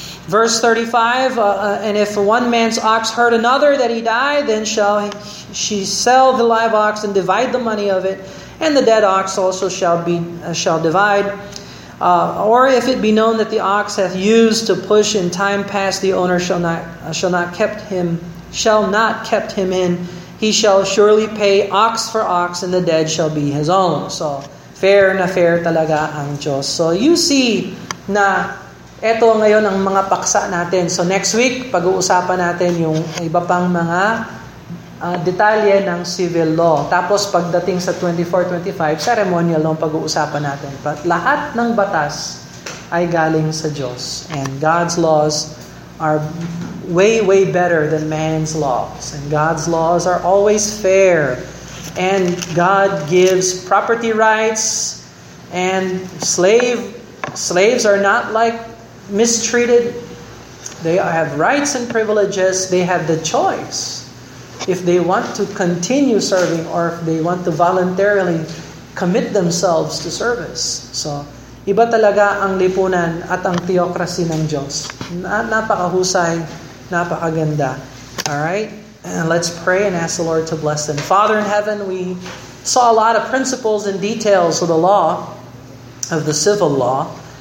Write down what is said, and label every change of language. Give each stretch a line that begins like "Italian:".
English: Verse 35, and if one man's ox hurt another that he die, then shall she sell the live ox and divide the money of it, and the dead ox also shall divide. Or if it be known that the ox hath used to push in time past, the owner shall not kept him in. He shall surely pay ox for ox, and the dead shall be his own.
Filipino: So fair na fair talaga ang Diyos.
English: So you see
Filipino: na. Ito ngayon ang mga paksa natin.
English: So next week,
Filipino: pag-uusapan natin yung iba pang mga detalye ng civil law. Tapos pagdating sa 24-25, ceremonial ang pag-uusapan natin. But lahat ng batas ay galing sa Diyos.
English: And God's laws are way, way better than man's laws. And God's laws are always fair. And God gives property rights. And slaves are not like mistreated. They have rights and privileges. They have the choice if they want to continue serving or if they want to voluntarily commit themselves to service.
Filipino: So, iba talaga ang lipunan at ang theocracy ng Diyos. Napakahusay, napakaganda.
English: All right? And let's pray and ask the Lord to bless them. Father in heaven, we saw a lot of principles and details of the law, of the civil law.